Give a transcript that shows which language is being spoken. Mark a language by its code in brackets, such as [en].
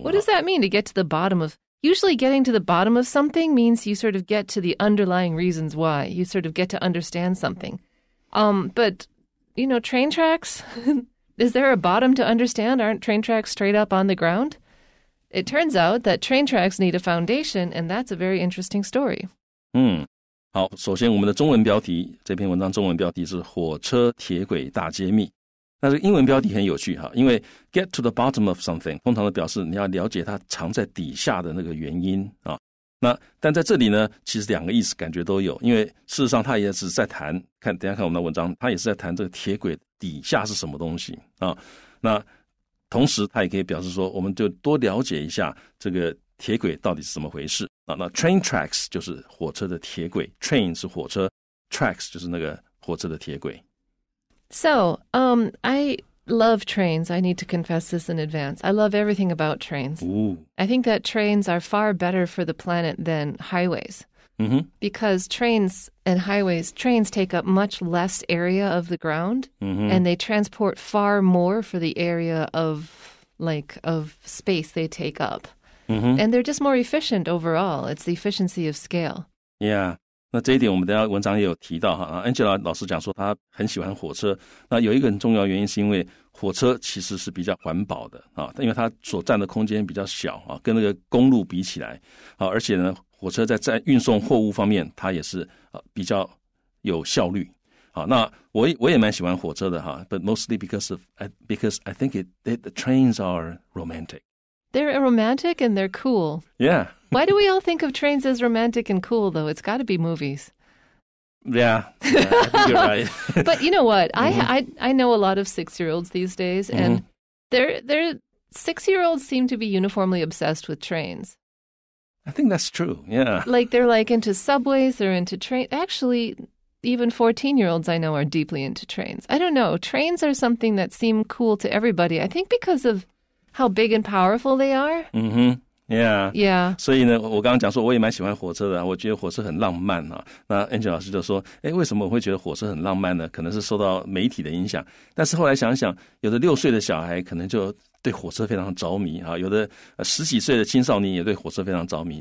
[en] What does that mean, to get to the bottom of? Usually getting to the bottom of something means you sort of get to the underlying reasons why. You sort of get to understand something. But, you know, train tracks, is there a bottom to understand? Aren't train tracks straight up on the ground? It turns out that train tracks need a foundation, and that's a very interesting story. [zh] 好，首先我们的中文标题，这篇文章中文标题是火车铁轨大揭密。那这个英文标题很有趣哈，因为 [en] get to the bottom of something [zh] 通常的表示你要了解它藏在底下的那个原因啊。那但在这里呢，其实两个意思感觉都有，因为事实上它也是在谈，看等一下看我们的文章，它也是在谈这个铁轨底下是什么东西啊。那同时它也可以表示说，我们就多了解一下这个铁轨到底是怎么回事啊。那 train tracks 就是火车的铁轨， train 是火车， tracks 就是那个火车的铁轨。 [en] So, I love trains. I need to confess this in advance. I love everything about trains. Ooh. I think that trains are far better for the planet than highways. Mm-hmm. Because trains and highways, trains take up much less area of the ground, mm-hmm. and they transport far more for the area of, like, of space they take up. Mm-hmm. And they're just more efficient overall. It's the efficiency of scale. Yeah. 那这一点我们等一下文章也有提到哈。Angela 老师讲说他很喜欢火车，那有一个很重要原因是因为火车其实是比较环保的啊，因为它所占的空间比较小啊，跟那个公路比起来啊，而且呢火车在运送货物方面它也是比较有效率啊。 [zh] 那我也蛮喜欢火车的哈， [en] but mostly because I think that the trains are romantic. They're romantic and they're cool. Yeah. Why do we all think of trains as romantic and cool, though? It's got to be movies. Yeah, I think you're right. But you know what? Mm-hmm. I know a lot of six-year-olds these days, and they're 6-year-olds seem to be uniformly obsessed with trains. I think that's true, yeah. Like, they're, like, into subways, they're into trains. Actually, even 14-year-olds I know are deeply into trains. I don't know. Trains are something that seem cool to everybody, I think because of how big and powerful they are. Mm-hmm. Yeah, yeah. [zh] 所以呢，我刚刚讲说我也蛮喜欢火车的，我觉得火车很浪漫啊。那 Angela 老师就说，哎，为什么我会觉得火车很浪漫呢？可能是受到媒体的影响。但是后来想想，有的6岁的小孩可能就对火车非常着迷啊，有的10几岁的青少年也对火车非常着迷。